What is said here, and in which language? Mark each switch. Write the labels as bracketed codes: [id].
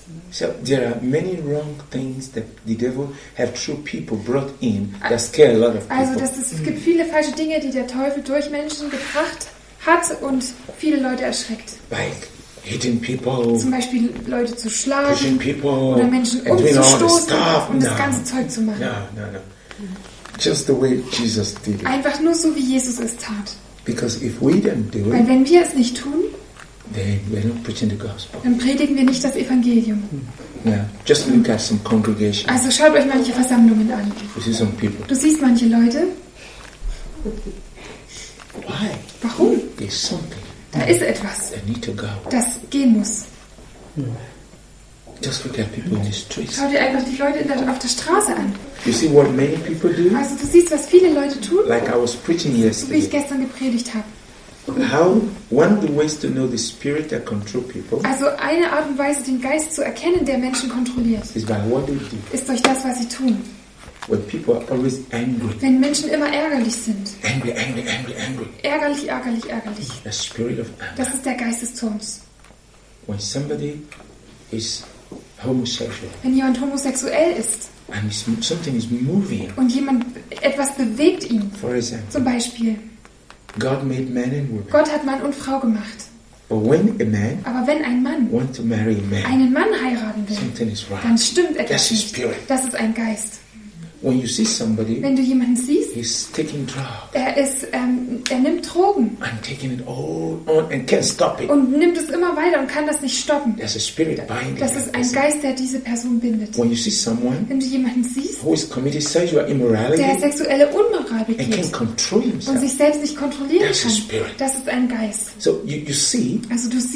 [en] So there are many wrong things that the devil have through people brought in that scare a lot of people. [de] Also das ist, es gibt viele falsche Dinge, die der Teufel durch Menschen gebracht hat und viele Leute erschreckt. [en] Like hitting people, [de] zum Beispiel Leute zu schlagen, [en] pushing people, [de] oder Menschen umzustoßen und das ganze Zeug zu machen. [en] No. Just the way Jesus did it. [de] Einfach nur so, wie Jesus es tat. [en] Because if we don't do it, [de] weil wenn wir es nicht tun, [en] then we're not preaching the gospel. [de] Dann predigen wir nicht das Evangelium. [en] Yeah, just look at some congregation. [de] Also schaut euch manche Versammlungen an. [en] You see some people. [de] Du siehst manche Leute. [en] Why? [de] Warum? [en] There's something. [de] Da ist etwas. [en] They need to go. [de] Das gehen muss. [en] Just look at people in the streets. [de] Schau dir einfach die Leute auf der Straße an. [en] You see what many people do? [de] Also du siehst, was viele Leute tun. [en] Like I was preaching yesterday. [de] Wie ich gestern gepredigt habe. [en] How one of the ways to know the spirit that controls people? [de] Also eine Art und Weise, den Geist zu erkennen, der Menschen kontrolliert, [en] is by what they do. [de] Ist durch das, was sie tun. [en] When people are always angry. [de] Wenn Menschen immer ärgerlich sind. [en] Angry. [de] Ärgerlich. [en] The spirit of anger. [de] Das ist der Geist des Zorns. [en] When somebody is homosexual. [de] Wenn jemand homosexuell ist. [en] And something is moving. [de] Und jemand etwas bewegt ihn. [en] For example. [de] Zum Beispiel. [en] God made man and woman. [de] Gott hat Mann und Frau gemacht. [en] But when a man, [de] aber wenn ein Mann [en] want to marry a man, [de] einen Mann heiraten will, [en] something is right. [de] Dann stimmt etwas. [en] That's his spirit. [de] Das ist ein Geist. [en] When you see somebody, [de] wenn du jemanden siehst, [en] he's taking drugs. [de] Er nimmt Drogen. [en] I'm taking it all on and can't stop it. [de] Und nimmt es immer weiter und kann das nicht stoppen. [en] That's a spirit binding. [de] Das ist ein Geist, der diese Person bindet. [en] When you see someone, [de] wenn du jemanden siehst, [en] who is committed sexual immorality, [de] der sexuelle Unmoral begeht [en] and can't control himself, [de] und sich selbst nicht kontrollieren [en] that's [de] kann, [en] a spirit. [de] Das ist ein Geist. [en] So you see, [de] also du siehst,